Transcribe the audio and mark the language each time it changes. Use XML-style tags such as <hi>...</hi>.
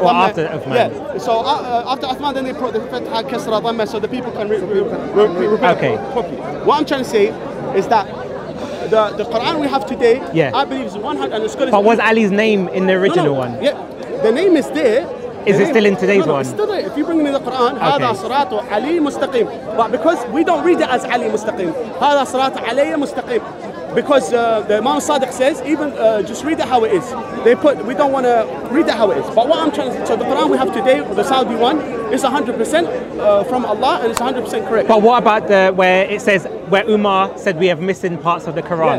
<en>Dhamma. Well, after Uthman. Yeah. So after Uthman, then they brought the Fatha, Kasra, Dhamma, so the people can repeat. Okay. What I'm trying to say is that the Quran we have today, I believe is 100, and the scholars... But was Ali's name in the original one? Yeah, the name is there. Is it still in today's one? It's still there. If you bring me the Quran,</en> <ar>هذا صراط علي مستقيم.</ar> <en>But because we don't read it as علي مستقيم,</en> <ar>هذا صراط علي مستقيم.</ar> <en>Because the Imam Sadiq says, just read it how it is. We don't want to read it how it is. But what I'm trying to say, so the Quran we have today, the Saudi one, is 100% from Allah, and it's 100% correct. But what about where Umar said we have missing parts of the Quran?</en>